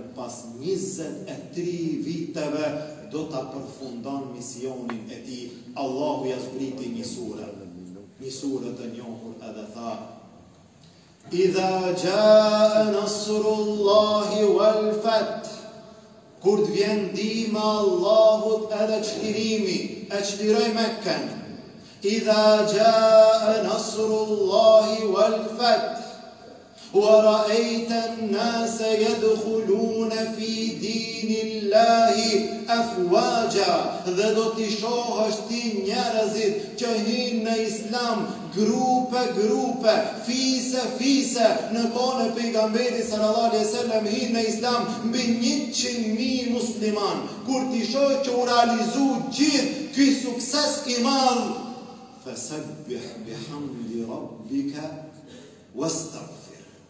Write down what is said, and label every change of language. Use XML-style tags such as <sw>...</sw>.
<sq>pas 23 viteve, do të përfundon misionin e ti, Allahu jazbriti një sure, një sure të njohur edhe tha,</sq> <ar>Idha gja nësurullahi wal fat,</ar> <sq>kur të vjen dima Allahut edhe qlirimi, e qliroj Mekken, Idha gja nësurullahi wal fat,</sq> <ar>ورأيت الناس يدخلون في دين الله أفواجا.</ar> <sq>Dhe do t'i shohësht ti njerëzit që hinë në islam grupe, grupe, fise, fise. Në kohën e pejgamberit sallallahu alejhi dhe sellem hinë në islam mbi 100,000 musliman. Kur t'i shohë që u realizu gjithë ky sukses i madh,</sq> <ar>fasabbih bihamdi rabbika wastaghfir.</ar>